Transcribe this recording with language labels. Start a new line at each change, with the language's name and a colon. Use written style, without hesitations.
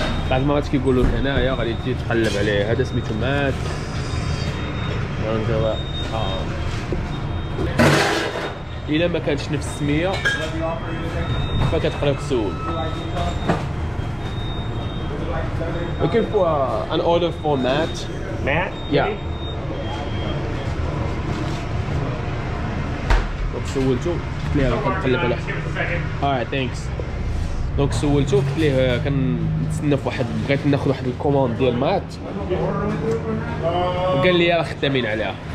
Arabic: بعد ما غادي كيقولوا هنايا غادي تجي تقلب عليه. هذا سميتو مات انجلا. الى ما كانتش نفس السميه فكتقلب تسول.
English: looking for an order for Matt. Matt
Arabic: yeah دونك سولتو قلت له قلب عليه.
English: alright thanks.
Arabic: دونك سولتو قلت ليه كنتسنى في واحد بغيت ناخذ واحد الكوموند ديال مات، قال لي راه خدامين عليها.